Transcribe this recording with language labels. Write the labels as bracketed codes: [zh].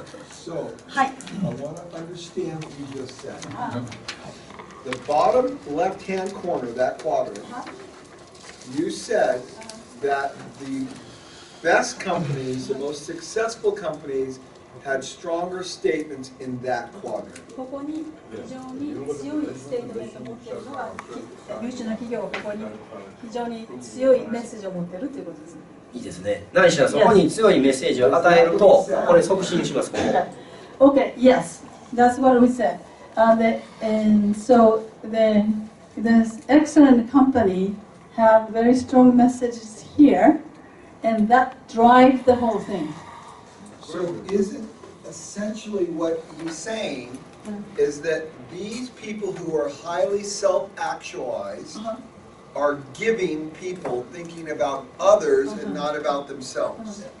[en] So, I want to understand what you just said. The bottom left-hand corner, that quadrant, you said that the best companies, the most successful companies, had stronger statements in that quadrant. [ja] ここに非常に強いステートメントを持っているのが、優秀な企業はここに非常に強いメッセージを持っているということですね。いいですね。何しろそこに強いメッセージを与えると、これ促進します。 [en] Okay, yes. That's what we said. And so then this excellent company have very strong messages here, and that drive the whole thing. So is it essentially what you're saying is that these people who are highly self-actualized are giving people thinking about others and not about themselves.